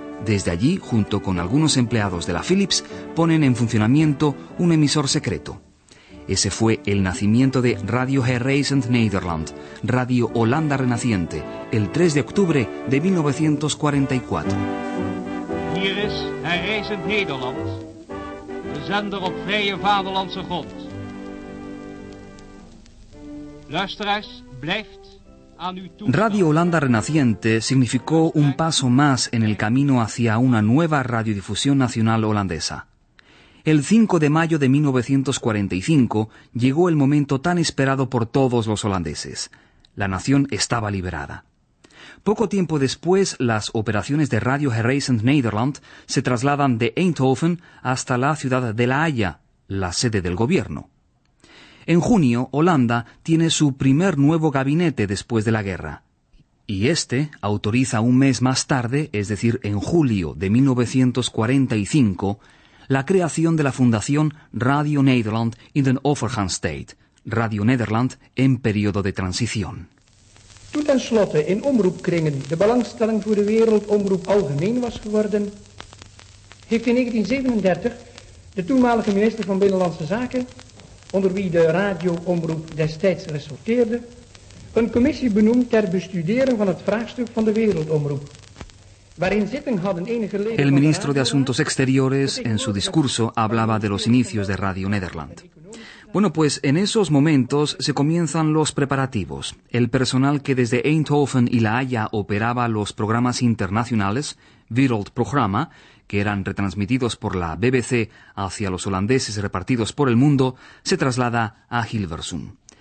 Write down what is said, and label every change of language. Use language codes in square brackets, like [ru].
[es] Desde allí, junto con algunos empleados de la Philips, ponen en funcionamiento un emisor secreto. Ese fue el nacimiento de Radio Herreizend Nederland, Radio Holanda Renaciente, el 3 de octubre de 1944. [nl] Hier is Herreizend Nederland, de zender op vrije vaderlandse grond. Luisteraars, blijft [es] Radio Holanda Renaciente significó un paso más en el camino hacia una nueva radiodifusión nacional holandesa. El 5 de mayo de 1945 llegó el momento tan esperado por todos los holandeses. La nación estaba liberada. Poco tiempo después, las operaciones de Radio Horizon Nederland se trasladan de Eindhoven hasta la ciudad de La Haya, la sede del gobierno. En junio, Holanda tiene su primer nuevo gabinete después de la guerra. Y este autoriza un mes más tarde, es decir, en julio de 1945, la creación de la fundación Radio Nederland in den Overgangstijd, Radio Nederland en periodo de transición. [nl] Toen tenslotte in omroepkringen de belangstelling voor de wereldomroep algemeen was geworden, heeft in 1937 de toenmalige minister van Binnenlandse Zaken, onder wie de radioomroep destijds resorteerde, een commissie benoemd ter bestuderen van het vraagstuk van de wereldomroep. [es] El ministro de Asuntos Exteriores, en su discurso, hablaba de los inicios de Radio Nederland. Bueno, pues en esos momentos se comienzan los preparativos. El personal que desde Eindhoven y La Haya operaba los programas internacionales, Wereldprogramma, que eran retransmitidos por la BBC hacia los holandeses repartidos por el mundo, se traslada a Hilversum.